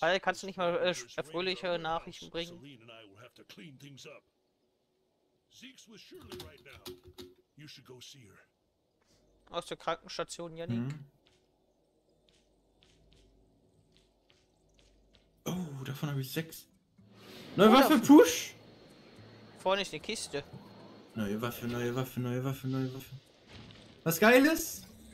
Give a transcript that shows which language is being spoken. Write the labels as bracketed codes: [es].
[de] Hey, kannst du nicht mal erfröhliche Nachrichten bringen? [en] Celine and I will have to clean things up. Zeke's with Shirley right now. You should go see her. [de] aus der Krankenstation, Yannick. Mhm. Oh, davon habe ich 6. Neue Waffe, push! Vorne ist eine Kiste. Neue Waffe, neue Waffe, neue Waffe, neue Waffe. Was Geiles?